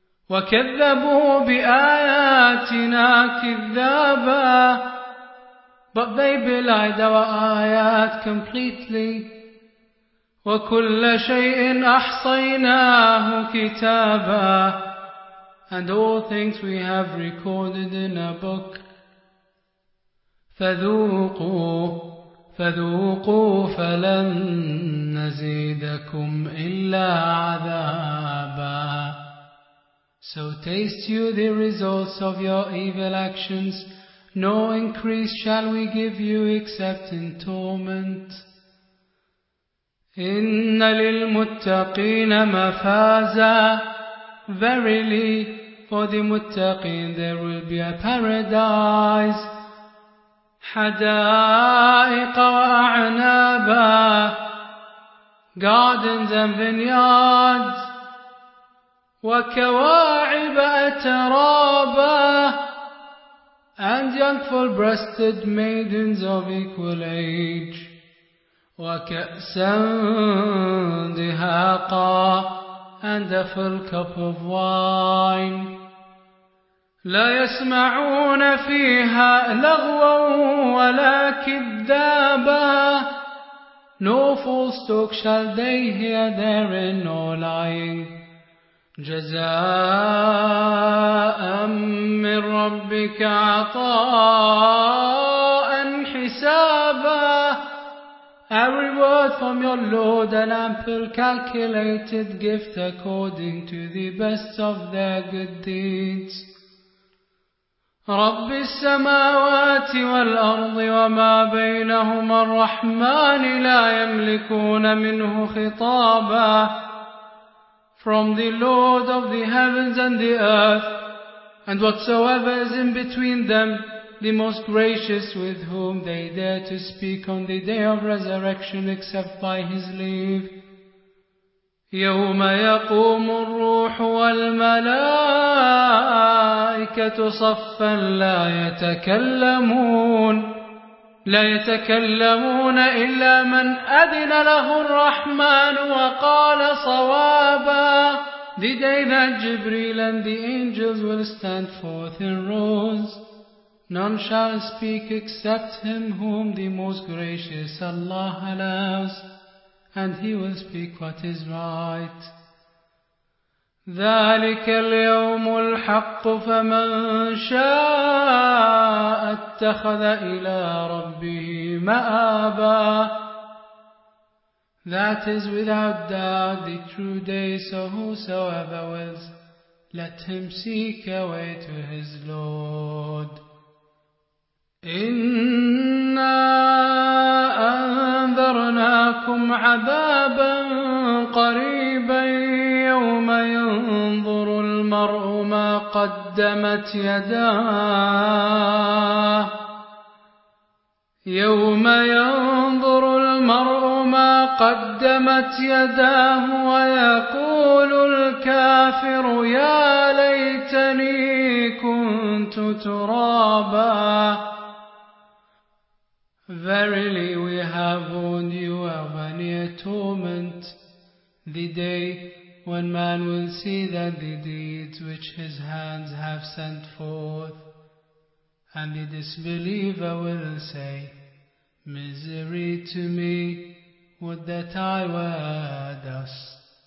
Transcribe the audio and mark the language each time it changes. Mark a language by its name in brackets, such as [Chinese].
[Arabic] وكذبوا بآياتنا كذابا. [English] But they belied our ayat completely. [Arabic] وكل شيء أحصيناه كتابا. [English] And all things we have recorded in a book. [Arabic] فذوقوا فذوقوا فلن نزيدكم إلا عذابا. [English] So taste you the results of your evil actions, no increase shall we give you except in torment. [Arabic] إن للمتقين مفازا. [English] Verily, for the muttaqin there will be a paradise. [Arabic] حدائق وأعنابا. [English] Gardens and vineyards. [Arabic] وكواعب أترابا. [English] And young full-breasted maidens of equal age. [Arabic] وكأسا دهاقا. [English] And a full cup of wine. [Arabic] لا يسمعون فيها لغوا ولا كذابا. [English] No false talk shall they hear therein, no lying. [Arabic] جزاء من ربك عطاء حسابا. [English] A reward from your Lord, an ample calculated gift according to the best of their good deeds. [Arabic] رب السماوات والأرض وما بينهما الرحمن لا يملكون منه خطابا. [English] From the Lord of the heavens and the earth, and whatsoever is in between them, the most gracious, with whom they dare to speak on the day of resurrection except by his leave. [Arabic] يوم يقوم الروح والملائكة صفا لا يتكلمون لا يتكلمون إلا من أذن له الرحمن وقال صوابا. [English] The day that Jibreel and the angels will stand forth in rows, none shall speak except him whom the most gracious Allah allows, and he will speak what is right. [Arabic] ذلك اليوم الحق فمن شاء اتخذ إلى ربه مآبا. [English] That is without doubt the true day, so whosoever wills, let him seek a way to his Lord. [Arabic] إنا أنذرناكم عذابا قريبا يوم ينظر المرء ما قدمت يداه يوم ينظر المرء ما قدمت يداه ويقول الكافر يا ليتني كنت ترابا. [English] Verily we have warned you of a near torment, the day when man will see that the deeds which his hands have sent forth, and the disbeliever will say, misery to me, would that I were dust.